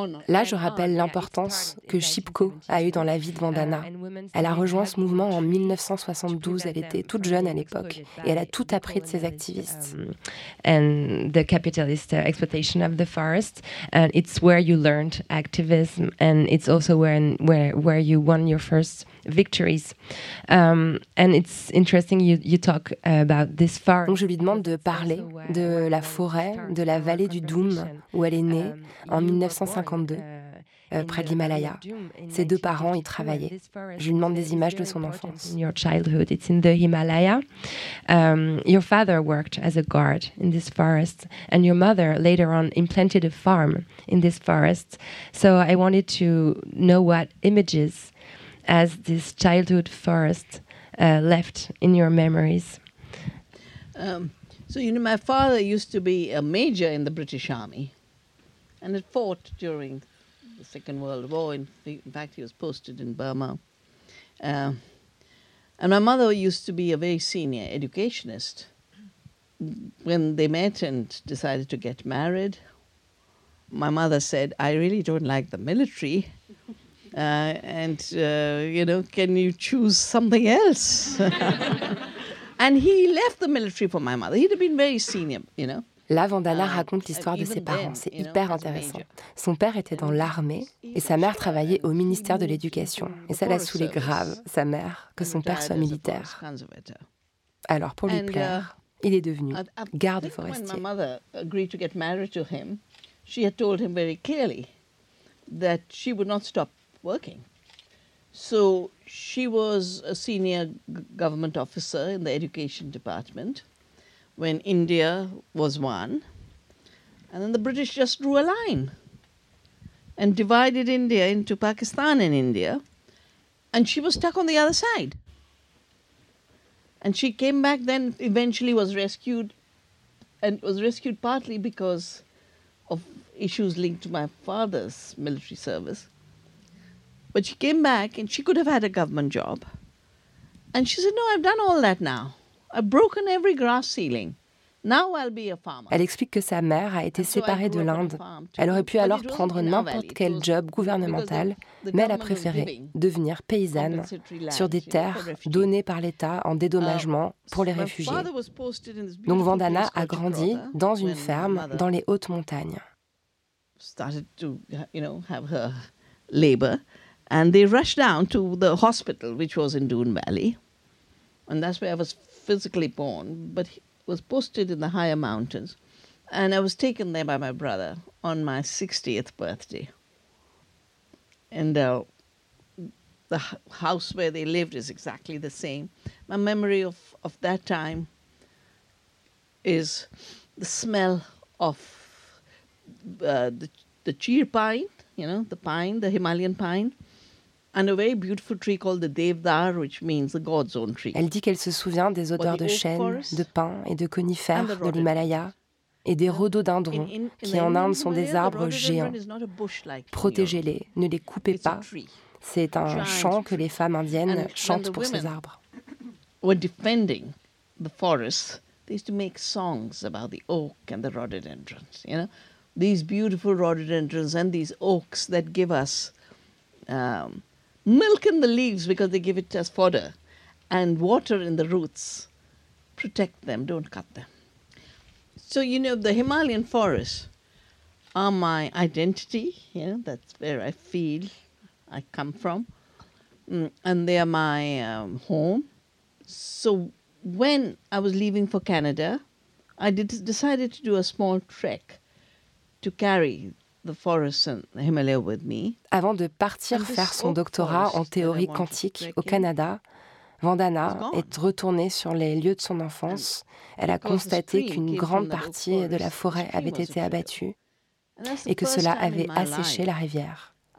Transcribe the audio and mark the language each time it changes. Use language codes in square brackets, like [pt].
[fr] Là, je rappelle l'importance que SHIPCO a eue dans la vie de Vandana. Elle a rejoint ce mouvement en 1972. Elle était toute jeune à l'époque et elle a tout appris de ses activistes. [en] And the capitalist exploitation of the forest. And it's where you learned activism, and it's also where you won your first victories. And it's interesting you talk about this forest. [fr] Donc, je lui demande de parler de la forêt, de la vallée du Doum où elle est née en 1952, près de l'Himalaya. Ses deux parents y travaillaient. Je lui demande des images de son enfance. [en] In your childhood, it's in the Himalaya. Your father worked as a guard in this forest, and your mother later on implanted a farm in this forest. So I wanted to know what images as this childhood forest left in your memories. So you know, my father used to be a major in the British Army. And it fought during the Second World War. In fact, he was posted in Burma. And my mother used to be a very senior educationist. When they met and decided to get married, my mother said, I really don't like the military. Can you choose something else? And he left the military for my mother. He'd have been very senior, you know. [fr] Là, Vandana raconte l'histoire de ses parents. C'est hyper intéressant. Son père était dans l'armée et sa mère travaillait au ministère de l'Éducation. Et ça l'a saoulé grave, sa mère, que son père soit militaire. Alors, pour lui plaire, il est devenu garde forestier. Quand ma mère a [en] agreed to get married to him, she had told him very clearly that she would not stop working. So she was a senior government officer in the education department. When India was won, and then the British just drew a line and divided India into Pakistan and India, and she was stuck on the other side. And she came back then, eventually was rescued, and was rescued partly because of issues linked to my father's military service. But she came back, and she could have had a government job. And she said, no, I've done all that now. I've broken every grass ceiling. Now I'll be a farmer. [fr] Elle explique que sa mère a été séparée de l'Inde. Elle aurait pu alors prendre n'importe quel job gouvernemental, mais elle a préféré devenir paysanne sur des terres données par l'État en dédommagement pour les réfugiés. Donc Vandana a grandi dans une ferme dans les hautes montagnes. [en] Started to, you know, have her labor, and they rushed down to the hospital, which was in Doon Valley, and that's where I was physically born. But was posted in the higher mountains, and I was taken there by my brother on my 60th birthday. And the house where they lived is exactly the same. My memory of that time is the smell of the cheer pine, you know, the pine, the Himalayan pine, And a very beautiful tree called the Devdar, which means the God's own tree. [fr] Elle dit qu'elle se souvient des odeurs de chêne, de pin et de conifères de l'Himalaya et des rhododendrons qui en Inde sont des arbres géants. Protégez-les, ne les coupez pas. C'est un chant que les femmes indiennes chantent pour ces arbres. [en] When defending the forest, they used to make songs about the oak and the rhododendrons. You know, these beautiful rhododendrons and these oaks that give us milk in the leaves because they give it as fodder, and water in the roots. Protect them, don't cut them. So, you know, the Himalayan forests are my identity. You know, that's where I feel I come from. And they are my home. So when I was leaving for Canada, I decided to do a small trek to carry the forests and the Himalaya with me. [fr] Avant de partir faire son doctorat en théorie quantique au Canada, Vandana est retournée sur les lieux de son enfance. Elle a constaté qu'une grande partie de la forêt avait été abattue et que cela avait asséché la rivière.